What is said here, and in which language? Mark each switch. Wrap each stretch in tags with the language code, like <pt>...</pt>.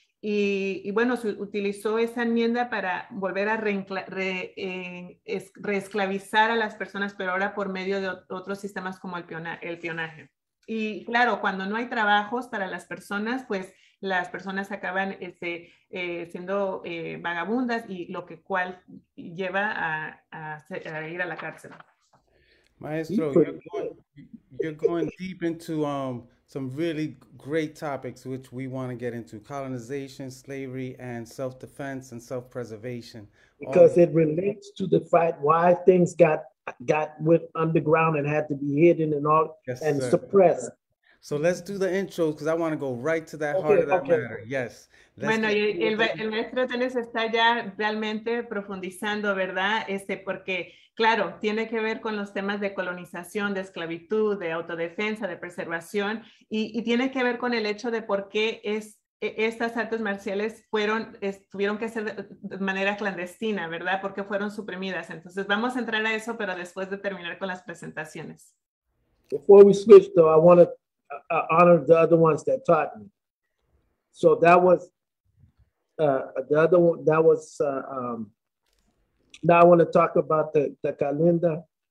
<es>Y bueno, se utilizó esa enmienda para volver a reesclavizar a las personas, pero ahora por medio de otros sistemas como el peonaje. Y claro, cuando no hay trabajos para las personas, pues las personas acaban siendo vagabundas, y lo que cual lleva a ir a la cárcel.</es> <en>Maestro, you're going deep into some really great topics, which we want to get into: colonization, slavery, and self-defense and self-preservation. Because it relates to the fight why things got went underground and had to be hidden and all, yes, and sir. Suppressed. So let's do the intro, because I want to go right to that heart of that matter. Yes.</en> <es>Bueno, el maestro Tenes está ya realmente profundizando, ¿verdad? Porque, claro, tiene que ver con los temas de colonización, de esclavitud, de autodefensa, de preservación, y tiene que ver con el hecho de por qué estas artes marciales tuvieron que ser de manera clandestina, ¿verdad? Porque fueron suprimidas. Entonces, vamos a entrar a eso, pero después de terminar con las presentaciones.</es> <en>Before we switch, though, I want to honor the other ones that taught me. So that was now I want to talk about the calenda.</en>